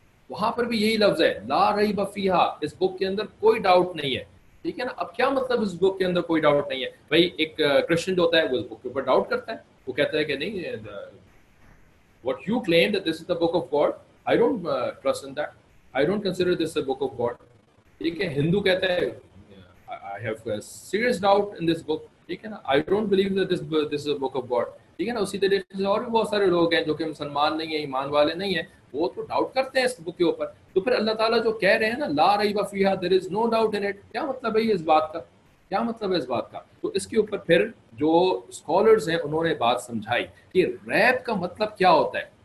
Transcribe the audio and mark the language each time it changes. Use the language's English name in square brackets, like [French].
[Urdu] وہاں پر بھی یہی لفظ ہے, لا ریب فیہا, اس بک کے اندر کوئی ڈاؤٹ نہیں ہے, ٹھیک ہے نا؟ اب کیا مطلب اس بک کے اندر کوئی ڈاؤٹ نہیں ہے؟ بھائی ایک کرسچن جو ہوتا ہے وہ اس بک کے اوپر ڈاؤٹ کرتا ہے, وہ کہتا ہے کہ نہیں, [English] what you claim that this is the book of God, I don't trust in that. I don't consider this a book of God. [Urdu] ٹھیک ہے, ہندو کہتا ہے [English] I have a serious doubt in this book. [Urdu] ٹھیک ہے نا, [English] I don't believe that this is a book of God. [Urdu] ٹھیک ہے نا, اسی طریقے سے اور بھی بہت سارے لوگ ہیں جو کہ مسلمان نہیں ہیں, ایمان والے نہیں ہیں, وہ تو ڈاؤٹ کرتے ہیں اس بک کے اوپر. تو پھر اللہ تعالیٰ جو کہہ رہے ہیں نا, لا ریب فیہا, [English] there is no doubt in it, [Urdu] کیا مطلب ہے اس بات کا, کیا مطلب ہے اس بات کا؟ تو اس کے اوپر پھر جو اسکالرز ہیں انہوں نے بات سمجھائی کہ ریب کا مطلب کیا ہوتا ہے.